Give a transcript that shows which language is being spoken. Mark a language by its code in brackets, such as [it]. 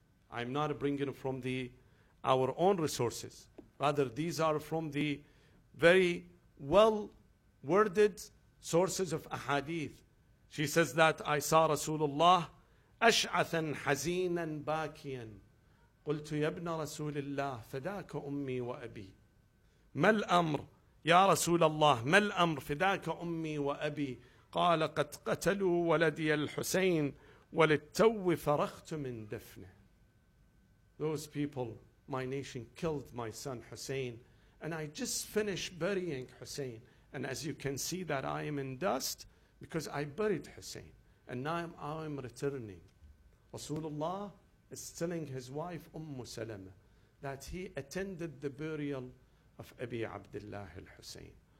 [en] I'm not bringing it from our own resources. Rather, these are from the very well-worded sources of ahadith. She says that, I saw Rasulullah [ar] ash'athan hazinan bakiyan. قلت يا ابن رسول الله فداك أمي وأبي ما الأمر يا رسول الله ما الأمر فداك أمي وأبي قال قد قتلوا ولدي الحسين وللتو فرخت من دفنه. [en] Those people, my nation, killed my son Hussein, and I just finished burying Hussein, and as you can see that I am in dust because I buried Hussein, and now I am returning. رسول الله is telling his wife, Ummu Salama, that he attended the burial of Abi Abdullah al-Hussein.